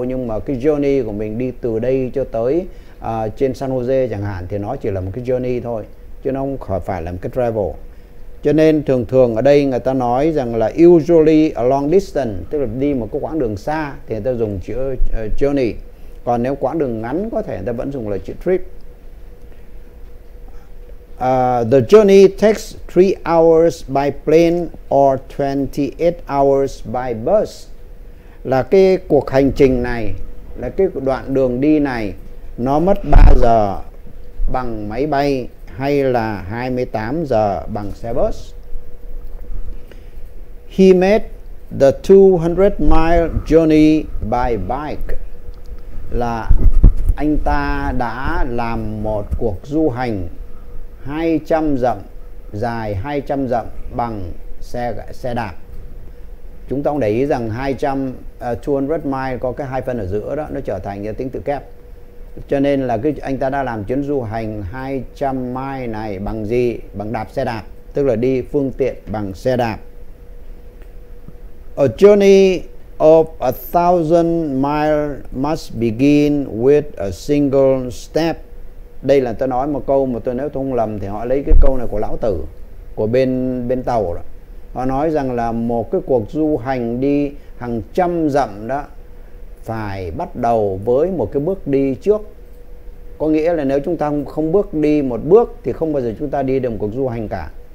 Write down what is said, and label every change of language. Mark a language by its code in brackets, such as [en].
[vi] Nhưng mà cái journey của mình đi từ đây cho tới trên San Jose chẳng hạn, thì nó chỉ là một cái journey thôi, chứ nó không phải là một cái travel. Cho nên thường thường ở đây người ta nói rằng là [en] usually a long distance, [vi] tức là đi một cái quãng đường xa thì người ta dùng chữ journey. Còn nếu quãng đường ngắn có thể người ta vẫn dùng là chữ trip. [en] The journey takes 3 hours by plane or 28 hours by bus. [vi] Là cái cuộc hành trình này, là cái đoạn đường đi này, nó mất 3 giờ bằng máy bay hay là 28 giờ bằng xe bus. [en] He made the 200 mile journey by bike. [vi] Là anh ta đã làm một cuộc du hành 200 dặm, dài 200 dặm bằng xe đạp. Chúng ta cũng để ý rằng 200 mile có cái hai phân ở giữa đó, nó trở thành như tiếng tự kép. Cho nên là cái anh ta đã làm chuyến du hành 200 mile này bằng gì? Bằng đạp xe đạp, tức là đi phương tiện bằng xe đạp. [en] A journey of 1,000 mile must begin with a single step. [vi] Đây là tôi nói một câu mà tôi, nếu tôi không lầm thì họ lấy cái câu này của Lão Tử, của bên tàu đó. Họ nói rằng là một cái cuộc du hành đi hàng trăm dặm đó phải bắt đầu với một cái bước đi trước. Có nghĩa là nếu chúng ta không bước đi một bước thì không bao giờ chúng ta đi được một cuộc du hành cả.